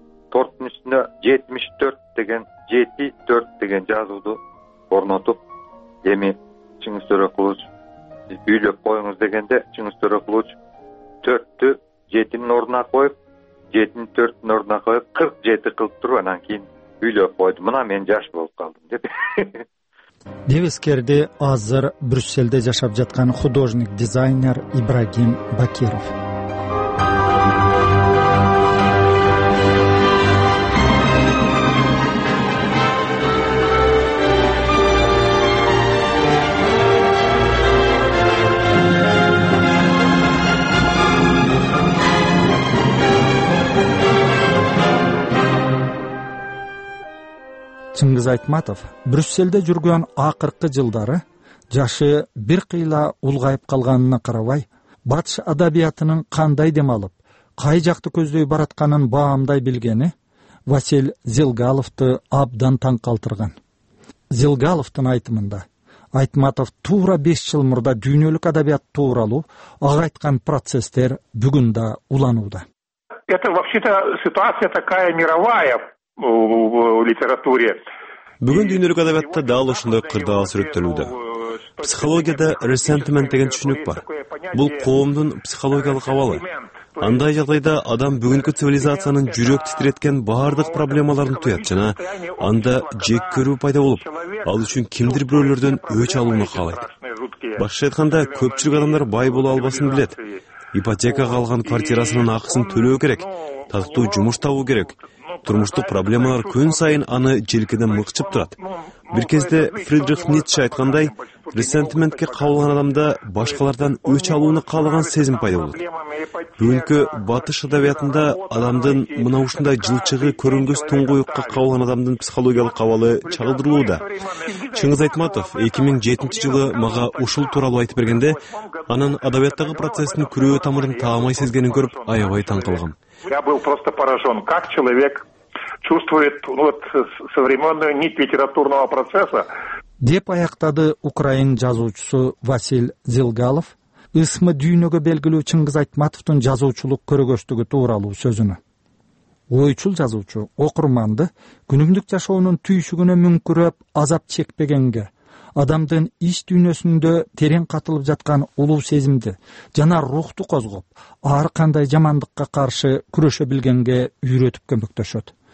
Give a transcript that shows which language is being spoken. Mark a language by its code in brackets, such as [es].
[ky] Торттун үстүнө 74 деген 74 деген жазууну орнотуп, эми Чыңгыз Төрөкулович үйлөп коюңуз дегенде, Чыңгыз Төрөкулович 4-тү 7нин ордуна коюп, 74 ордуна коюп 47 кылып туруп, анан кийин үйлөп койду, мына мен жаш болуп калдым деп. Деп эскерди азыр Брюсселде жашап жаткан художник дизайнер Ибрагим Бакиров. Чыңгыз Айтматов Брюсселде жүргөн акыркы жылдары жашы бир кыйла улгайып калганына карабай, батыш адабиятынын кандай дем алып, кай жакты көздөй баратканын баамдай билгени Василь Зилгаловду абдан таң калтырган. Зилгаловдун айтымында Айтматов туура 5 жыл мурда дүйнөлүк адабият тууралуу ага айткан процесстер бүгүн да уланууда. [ru] Это вообще-то ситуация такая мировая. [ky] Бүгүн дүйнөлүк адабиятта дал ушундай кырдаал сүрөттөлүүдө. Психологияда ресентимент деген түшүнүк бар. Бул коомдун психологиялык абалы. Андай жагдайда адам бүгүнкү цивилизациянын жүрөк титиреткен баардык проблемаларын туят жана анда жек көрүү пайда болуп, ал үчүн кимдир бирөөлөрдөн өч алууну каалайт. Башкача айтканда, көпчүлүк адамдар бай боло албасын билет. Ипотекага алган квартирасынын акысын төлөө керек, татыктуу жумуш табуу керек. Турмуштук проблемалар күн сайын аны желкеден мыкчып турат. Бир кезде Фридрих Ницше айткандай, ресентиментке кабылган адамда башкалардан өч алууну каалаган сезим пайда болот. Бүгүнкү батыш адабиятында адамдын мына ушундай жылчыгы көрүнгүс туңгуюкка кабылган адамдын психологиялык абалы чагылдырылууда. Чыңгыз Айтматов 2007 жылы мага ушул тууралуу айтып бергенде, анын адабияттагы процесстин күрөө тамырын таамай сезгенин көрүп, аябай таң калгам. [ru] Я был просто поражен, как человек чувствует современную нить литературного процесса. [ky] Деп аяктады украин жазуучусу Василь Зилгалов, ысмы дүйнөгө белгилүү Чыңгыз Айтматовдун жазуучулук көрөгөштүгү тууралуу сөзүнө. Ойчул жазуучу окурманды күнүмдүк жашоонун түйшүгүнө мүңкүрөп, азап чекпегенге, адамдын иш дүйнөсүндө терең катылып жаткан улуу сезимди жана рухту козгоп, ар кандай жамандыкка каршы күрөшө билгенге үйрөтүп көмөктөшөт.